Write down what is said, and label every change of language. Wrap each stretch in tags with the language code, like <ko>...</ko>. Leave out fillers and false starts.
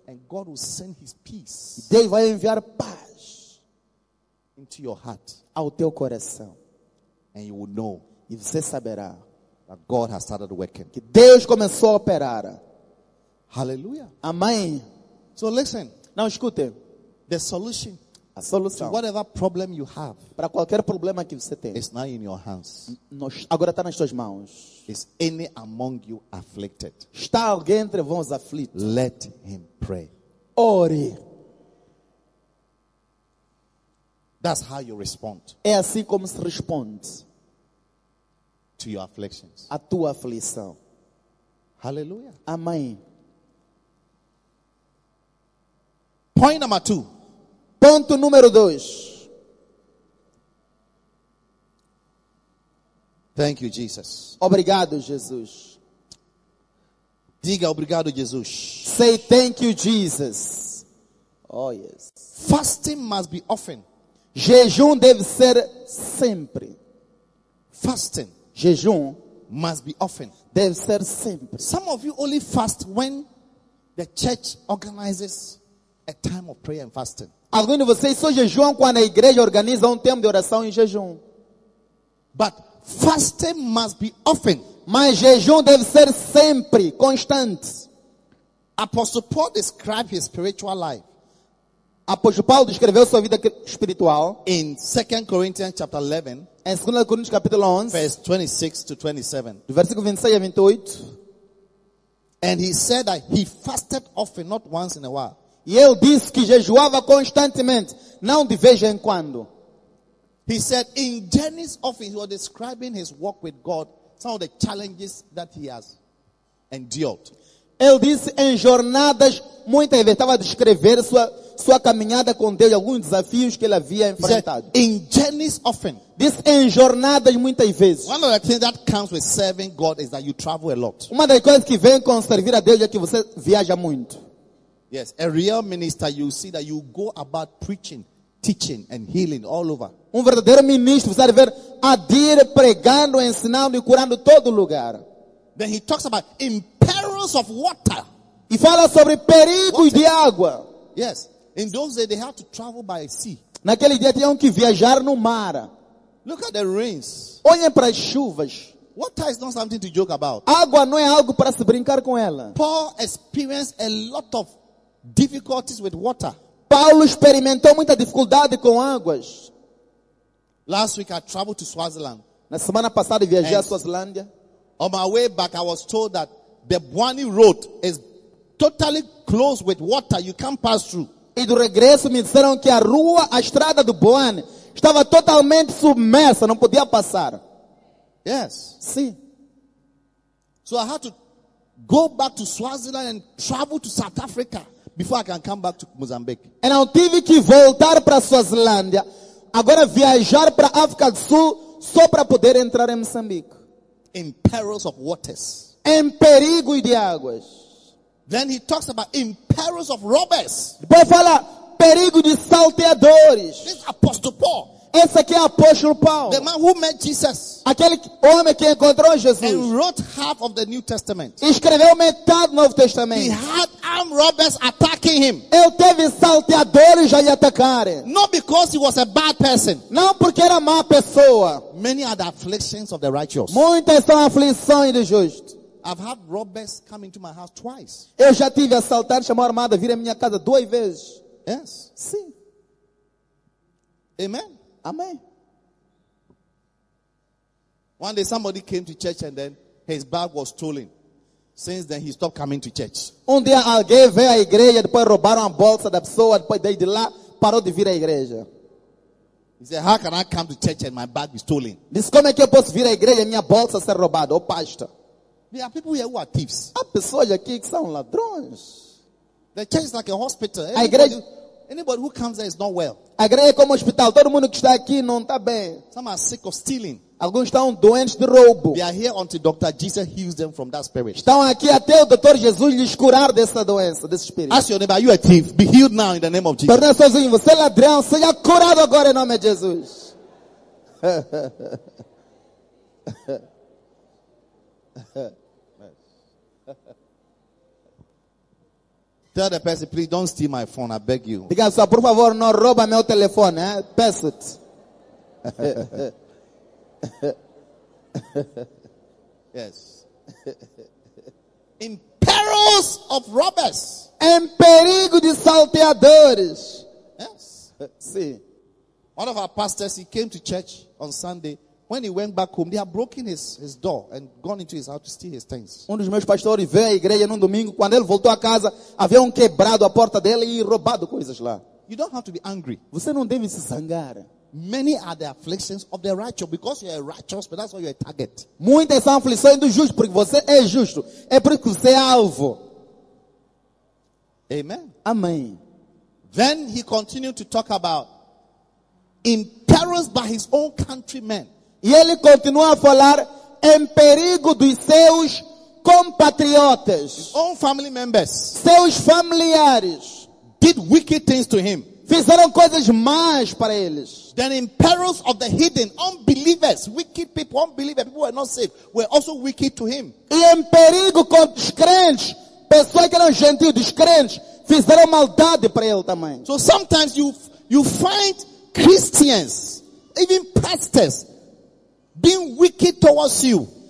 <en>And God will send His peace,</en> <pt>Deus vai enviar paz</pt> <en>into your heart,</en> <pt>ao teu coração.</pt> <en>And you will know,</en> <pt>e você saberá</pt> <en>that God has started working,</en> <pt>que Deus começou a operar.</pt> <en>Hallelujah.</en> <pt>Amém.</pt> <en>So listen,</en> <pt>now escute,</pt> <en>the solution,</en> <pt>a solução</pt> <en>to whatever problem you have,</en> <pt>para qualquer problema que você tem,</pt> <en>is now in your hands,</en> <pt>agora está nas tuas mãos.</pt> <en>Is any among you afflicted?</en> <pt>Está alguém entre vós aflito?</pt> <en>Let him pray.</en> <pt>Ore.</pt> <en>That's how you respond.</en> <pt>É assim como se responde</pt> <en>to your afflictions.</en> <pt>A tua aflição. Aleluia. Amém.</pt> <en>Point number two.</en> <pt>Ponto número 2.</pt> <en>Thank you, Jesus.</en> <pt>Obrigado, Jesus. Diga obrigado, Jesus.</pt> <en>Say thank you, Jesus. Oh, yes. Fasting must be often.</en> <pt>Jejum deve ser sempre.</pt> <en>Fasting.</en> <pt>Jejum.</pt> <en>Must be often.</en> <pt>Deve ser sempre.</pt> <en>Some of you only fast when the church organizes a time of prayer and fasting.</en> <pt>Alguns de vocês só jejuam quando a igreja organiza tempo de oração e jejum.</pt> <en>But fasting must be often.</en> <pt>Mas jejum deve ser sempre, constante.</pt> <en>Apostle Paul described his spiritual life.</en> <pt>Apóstolo Paulo descreveu sua vida espiritual</pt> <en>in 2 Corinthians chapter 11.</en> <pt>Em 2 Coríntios capítulo 11,</pt> <en>verse 26 to 27.</en> <pt>Do versículo 26 a 28.</pt> <en>And he said that he fasted often, not once in a while.</en> <pt>E ele disse que jejuava constantemente, não de vez em quando.</pt> <en>He said in journeys often he was describing his walk with God, some of the challenges that he has endured.</en> <pt>Ele disse em jornadas muitas vezes estava a descrever sua caminhada com Deus, alguns desafios que ele havia enfrentado.</pt> <en>In journeys often.</en> <pt>Diz em jornadas muitas vezes.</pt> <en>One of the things that comes with serving God is that you travel a lot.</en> <pt>Uma das coisas que vem com servir a Deus é que você viaja muito.</pt> <en>Yes, a real minister, you see that you go about preaching, teaching and healing all over.</en> <pt>Um verdadeiro ministro, você vai ver a ir pregando, ensinando e curando todo lugar.</pt> <en>Then he talks about in perils of water.</en> <pt>E fala sobre perigos de água.</pt> <en>Yes, in those days they had to travel by sea.</en> <pt>Naquele dia tinham que viajar no mar.</pt> <en>Look at the rains.</en> <pt>Olhem para as chuvas.</pt> <en>Water is not something to joke about.</en> <pt>Água não é algo para se brincar com ela.</pt> <en>Paul experienced a lot of difficulties with water.</en> <pt>Paulo experimentou muita dificuldade com águas.</pt> <en>Last week I traveled to Swaziland.</en> <pt>Na semana passada viajei a Swazilândia.</pt> <en>On my way back I was told that the Bwani Road is totally closed with water, you can't pass through.</en> <pt>E do regresso me disseram que a estrada do Bwani estava totalmente submersa, não podia passar.</pt> <en>Yes.</en> <pt>Sim.</pt> <en>So I had to go back to Swaziland and travel to South Africa before I can come back to Mozambique.</en> <pt>Então tive que voltar para Swazilândia, agora viajar para África do Sul só para poder entrar em Moçambique.</pt> <en>In perils of waters.</en> <pt>Em perigo de águas.</pt> <en>Then he talks about in perils of robbers.</en> <pt>Depois fala perigo de salteadores.</pt> <en>This Apostle Paul.</en> <pt>Esse aqui é Apóstolo Paulo.</pt> <en>The man who met Jesus.</en> <pt>Aquele homem que encontrou Jesus.</pt> <en>And wrote half of the New Testament.</en> <pt>Escreveu metade do Novo Testamento.</pt> <en>He had armed robbers attacking him.</en> <pt>Ele teve salteadores já lhe atacarem.</pt> <en>Not because he was a bad person.</en> <pt>Não porque era má pessoa.</pt> <en>Many are the afflictions of the righteous.</en> <pt>Muitas são aflições de justo.</pt> <en>I've had robbers come into my house twice.</en> <pt>Eu já tive assaltantes, chamou a armada, vir à minha casa duas vezes.</pt> <en>Yes.</en> <pt>Sim.</pt> <en>Amen.</en> <pt>Amém.</pt> <en>One day somebody came to church and then his bag was stolen. Since then he stopped coming to church.</en> <pt>Um dia alguém veio à igreja, depois roubaram a bolsa da pessoa, depois daí de lá parou de vir à igreja.</pt> <en>He said, "How can I come to church and my bag is stolen?"</en> <pt>Diz, como é que eu posso vir à igreja e minha bolsa ser roubada, ô pastor?</pt> <en>There are people here who are thieves.</en> <pt>Há pessoas aqui que são ladrões.</pt> <en>The church is like a hospital. Anybody, anybody who comes there is not well.</en> <pt>A igreja é como um hospital. Todo mundo que está aqui não está bem.</pt> <en>Some are sick of stealing.</en> <pt>Alguns estão doentes de roubo.</pt> <en>They are here until Dr. Jesus heals them from that spirit.</en> <pt>Estão aqui até o Dr. Jesus lhes curar dessa doença, desse espírito.</pt> <en>Ask your neighbor, are you a thief? Be healed now in the name of Jesus.</en> <pt>Perdão sozinho, você é ladrão, seja curado agora em nome de Jesus.</pt> <en>Tell the person, please don't steal my phone, I beg you.</en> <pt>Diga só, por favor, não rouba meu telefone, eh? Peço it.</pt> <en>Yes. In perils of robbers.</en> <pt>Em perigo de salteadores.</pt> <en>Yes. See. One of our pastors, he came to church on Sunday. When he went back home, they had broken his door and gone into his house to steal his things.</en> <pt>Um dos meus pastores veio à igreja num domingo. Quando ele voltou à casa, haviam quebrado a porta dele e roubado coisas lá.</pt> <en>You don't have to be angry.</en> <pt>Você não deve se zangar.</pt> <en>Many are the afflictions of the righteous, because you are righteous, but that's why you are a target.</en> <pt>Muitas são aflições do justo, porque você é justo. É por isso que você é alvo.</pt> <en>Amen.</en> <pt>Amém.</pt> <en>Then he continued to talk about in perils by his own countrymen.</en> <pt>E ele continua a falar em perigo dos seus compatriotas.</pt> <en>His own family members.</en> <pt>Seus familiares.</pt> <en>Did wicked things to him.</en> <pt>Fizeram coisas más para eles.</pt> <en>Then in perils of the hidden, unbelievers, wicked people, unbelievers, people who were not saved, were also wicked to him.</en> <pt>E em perigo com os crentes, pessoas que eram gentil, descrentes, fizeram maldade para ele também.</pt> <en>So sometimes you find Christians, even pastors, being wicked towards you.</en>